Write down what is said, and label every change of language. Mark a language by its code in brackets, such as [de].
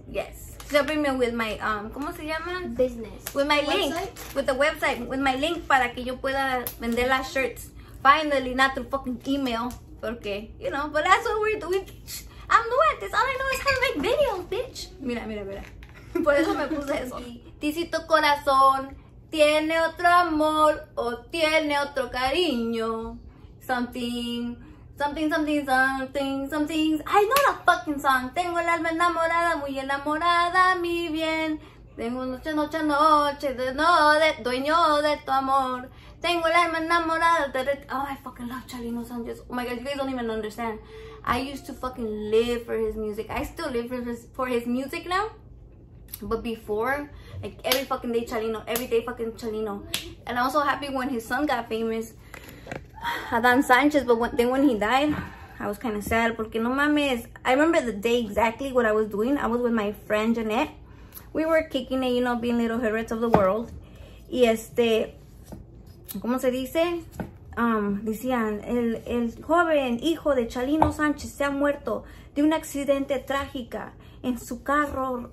[en] Yes. She's helping me with my, [es] ¿cómo se llama? [en] Business. With my link. Website? With the website. With my link [es] para que yo pueda vender las [en] shirts. Finally, not through fucking email. Porque, you know, but that's what we're doing. I'm new at this. All I know is how to make videos, bitch. [es] Mira, mira, mira. Por eso me puse eso. Ticito corazón, tiene otro amor o tiene otro cariño. [en] Something, something, something, something, something. I know the fucking song. [es] Tengo el alma enamorada, muy enamorada, mi bien. Tengo noche, noche, noche, de no, de, dueño de tu amor. Tengo el alma enamorada. [en] Oh, I fucking love Charlie Sanchez. Oh my God, you guys don't even understand. I used to fucking live for his music. I still live for his music now. But before, like every fucking day Chalino. Every day fucking Chalino. And I was so happy when his son got famous. Adán Sánchez. But then when he died, I was kind of sad. [es] Porque no mames. [en] I remember the day exactly what I was doing. I was with my friend Jeanette. We were kicking it, you know, being little hypocrites of the world. [es] Y este, ¿cómo se dice? Decían, el joven hijo de Chalino Sánchez se ha muerto de un accidente trágico en su carro.